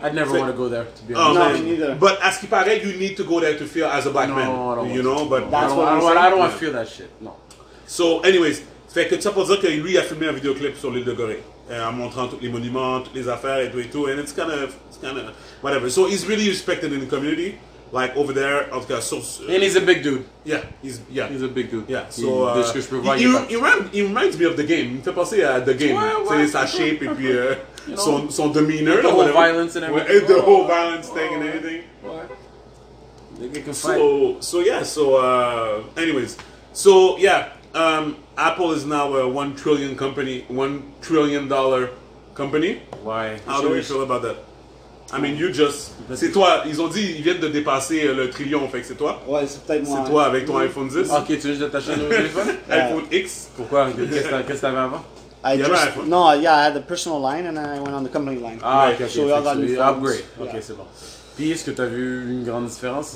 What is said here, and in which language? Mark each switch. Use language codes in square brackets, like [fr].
[en] I'd never want to go there, to be honest. No, me neither. But as [fr] ce qui paraît, [en] you need to go there to feel as a black man. I don't want to feel that shit. No. So, anyways. [fr] Fait que ça pour dire que lui a filmé un vidéoclip sur l'île de Gorée. en montrant tous les monuments, toutes les affaires et tout et tout. [en] And it's kind of whatever. So he's really respected in the community, like over there. Of course. So, and he's a big dude. Yeah, he's a big dude. Yeah. So he reminds me of the game. [fr] Il me fait penser à [en] the game. [fr] C'est sa shape et puis son demeanor. [en] The whole violence and everything. Ouais, the whole violence thing and everything. So, Apple is now a $1 trillion company. Why? How do we feel about that? I mean, you just... [fr] C'est toi. Ils ont dit ils viennent de dépasser le trillion. Fait que c'est toi. Ouais, c'est peut-être moi. C'est toi avec ton iPhone 10. Ok, tu veux juste attacher ton téléphone? iPhone X. Pourquoi? Qu'est-ce que tu avais avant? [en] I had the personal line and I went on the company line. Ah, ok. So we all got new phones. Upgrade. [fr] Ok, c'est bon. Puis, est-ce que tu as vu une grande différence?